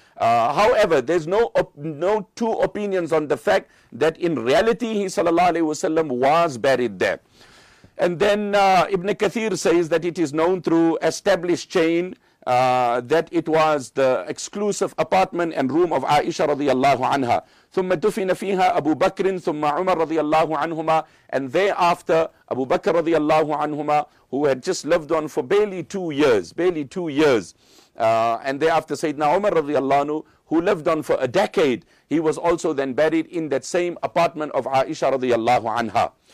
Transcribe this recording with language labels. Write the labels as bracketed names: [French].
[English] However, there's no two opinions on the fact that in reality he sallallahu alayhi wasallam was buried there. And then Ibn Kathir says that it is known through established chain that it was the exclusive apartment and room of Aisha radiallahu anha. [Arabic] ثم دفن فيها أبو بكر ثم عمر رضي الله عنهما. [English] And thereafter, Abu Bakr رضي الله عنهما, who had just lived on for barely two years. And thereafter, Sayyidina Umar رضي الله عنه, who lived on for a decade, he was also then buried in that same apartment of Aisha رضي الله عنها.